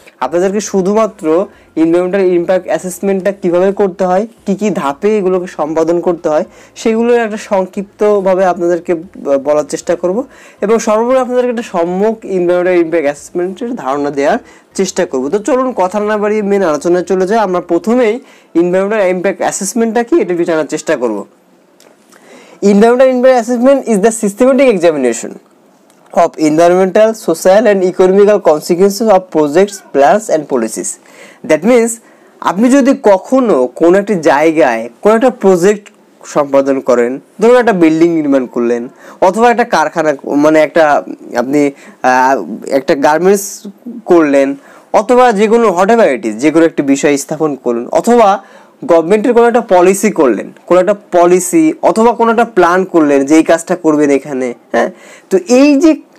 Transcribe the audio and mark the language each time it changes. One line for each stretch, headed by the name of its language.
Bangla: আপনাদেরকে শুধুমাত্র environmental impact অ্যাসেসমেন্টটা কীভাবে করতে হয়, কী কী ধাপে এগুলোকে সম্পাদন করতে হয় সেগুলোর একটা সংক্ষিপ্তভাবে আপনাদেরকে বলার চেষ্টা করব এবং সর্বোপরি আপনাদেরকে একটা সম্যক এনভায়রনমেন্টাল ইম্প্যাক্ট অ্যাসেসমেন্টের ধারণা দেওয়ার চেষ্টা করব। তো চলুন কথা না বাড়িয়ে মেন আলোচনায় চলে যাই। আমরা প্রথমেই এনভায়রনমেন্টাল ইম্প্যাক্ট অ্যাসেসমেন্টটা কি এটা জানার চেষ্টা করব।
English: Environmental impact assessment is the systematic examination of environmental, social and economical consequences of projects, plans and policies. That means,
Bangla: আপনি যদি কখনো কোনো একটা জায়গায় কোনো একটা প্রজেক্ট সম্পাদন করেন, ধরুন একটা বিল্ডিং নির্মাণ করলেন অথবা একটা কারখানা, মানে একটা আপনি একটা গার্মেন্টস করলেন অথবা যে কোনো হোটেবাইটিস যে কোনো একটি বিষয় স্থাপন করলেন অথবা গভর্নমেন্টের কোনো একটা পলিসি করলেন, কোনো একটা পলিসি অথবা কোনো একটা প্ল্যান করলেন যে এই কাজটা করবেন এখানে, হ্যাঁ, তো এই যে